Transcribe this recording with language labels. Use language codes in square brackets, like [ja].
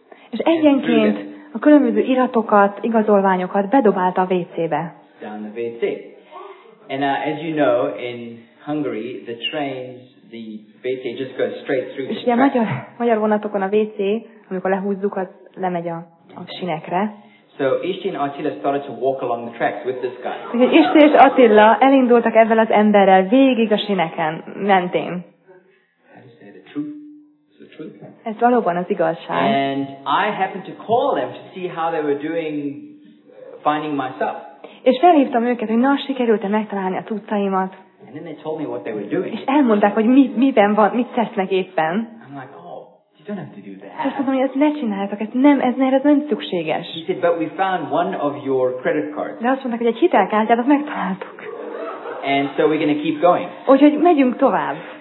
[hu] És egyenként a különböző iratokat, igazolványokat bedobálta a WC-be. [en] Down the WC. And as you know, in Hungary, the trains, the WC just goes straight through. [hu] És ugye magyar vonatokon a WC, amikor lehúzzuk, az lemegy a sinekre. [en] So Isti and Attila started to walk along the tracks with this guy. [hu] Isti és Attila elindultak ezzel az emberrel végig a sineken mentén. Ez valóban az igazság. [en] And I happened to call them to see how they were doing finding myself. [hu] És felhívtam őket, hogy na, sikerült-e megtalálni a tudtaimat. [en] And then they told me what they were doing. [hu] És elmondták, hogy miben van, mit tesznek éppen. [en] Don't have to do that. [hu] Azt mondom, ezt ne csináljátok, ez nem szükséges. [en] He said, but we found one of your credit cards. [hu] De azt mondták, hogy egy hitelkártyát azt megtaláltuk. [en] And so we're going to keep going. [hu] Úgyhogy megyünk tovább.